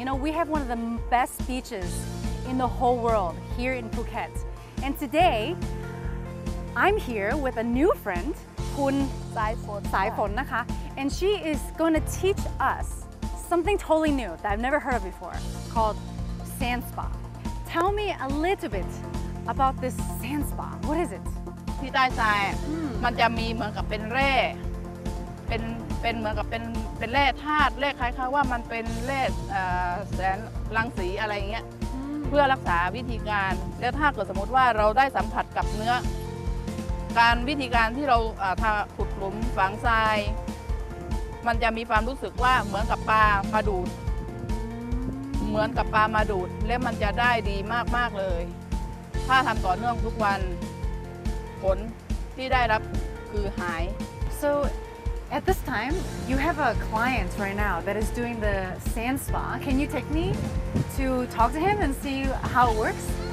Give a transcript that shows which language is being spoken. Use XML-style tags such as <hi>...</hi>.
<en>You know, we have one of the best beaches in the whole world here in Phuket. And today, I'm here with a new friend, Khun Saiphon,</en> <th>นะคะ,</th> <en>and she is going to teach us something totally new that I've never heard of before, called sand spa. Tell me a little bit about this sand spa. What is it?</en> <th>ที่ใต้ทรายมันจะมีเหมือนกับเป็นแร่เป็นเหมือนกับเป็นแร่ธาตุแร่คล้ายๆว่ามันเป็นแร่แสงรังสีอะไรอย่างเงี้ยเพื่อรักษาวิธีการแล้วถ้าเกิดสมมติว่าเราได้สัมผัสกับเนื้อการวิธีการที่เราทำขุดหลุมฝังทรายมันจะมีความรู้สึกว่าเหมือนกับปลามาดูด เหมือนกับปลามาดูดแล้วมันจะได้ดีมากมากเลยถ้าทำต่อเนื่องทุกวันผลที่ได้รับคือหาย</th> <en>so at this time you have a client right now that is doing the sand spa can you take meTo talk to him and see how it works.</en>